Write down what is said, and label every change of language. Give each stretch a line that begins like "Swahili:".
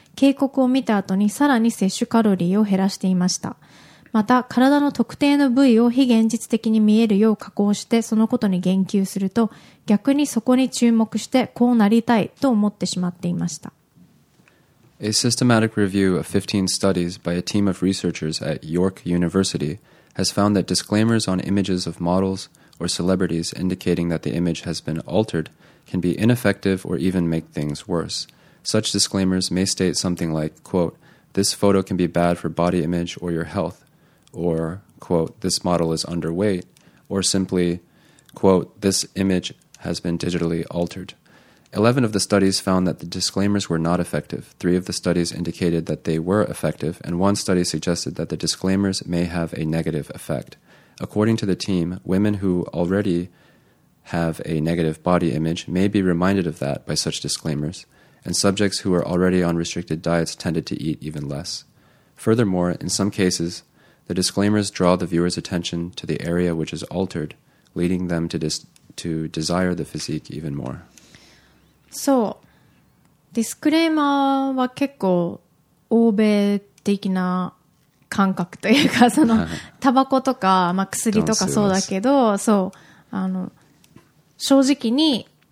Japanese: 警告を見た後にさらに摂取カロリーを減らしていました。また、体の特定の部位を非現実的に見えるよう加工してそのことに言及すると、逆にそこに注目してこうなりたいと思ってしまっていました。
English: A systematic review of 15 studies by a team of researchers at York University has found that disclaimers on images of models or celebrities indicating that the image has been altered can be ineffective or even make things worse. Such disclaimers may state something like, quote, this photo can be bad for body image or your health, or, quote, this model is underweight, or simply, quote, this image has been digitally altered. 11 of the studies found that the disclaimers were not effective. 3 of the studies indicated that they were effective, and 1 study suggested that the disclaimers may have a negative effect. According to the team, women who already have a negative body image may be reminded of that by such disclaimers, and subjects who are already on restricted diets tended to eat even less. Furthermore, in some cases, the disclaimers draw the viewer's attention to the area which is altered, leading them to desire the physique even more.
Japanese: そう、ディスクレーマーは結構欧米的な感覚というか、そのタバコとか、まあ、薬とかそうだけど、そう、あの正直に